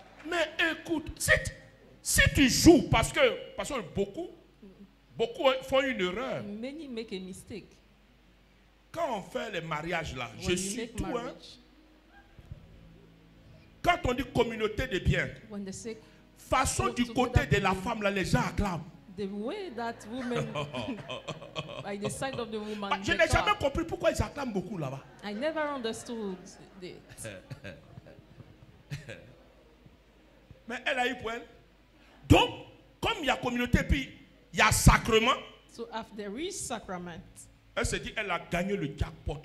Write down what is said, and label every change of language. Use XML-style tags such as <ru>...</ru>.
<fr>Mais écoute, si tu joues, parce que beaucoup font une erreur.</fr> <en>Many make a mistake.</en> <fr>Quand on fait les mariages là,</fr> <en>when</en> <fr>je suis tout.</fr> <en>Marriage,</en> <fr>hein? Quand on dit communauté de biens,</fr> <en>when they say,</en> <fr>façon du côté de la femme là, les gens acclament.</fr> <en>The way that woman, by the side of the woman.</en> <fr>Je n'ai jamais compris pourquoi ils acclament beaucoup là-bas.</fr> <en>I never understood it.</en> <fr>Mais elle a eu pour elle. Donc, comme il y a communauté, puis il y a sacrement.</fr> <en>So after each sacrament,</en> <fr>elle s'est dit, elle a gagné le jackpot.</fr>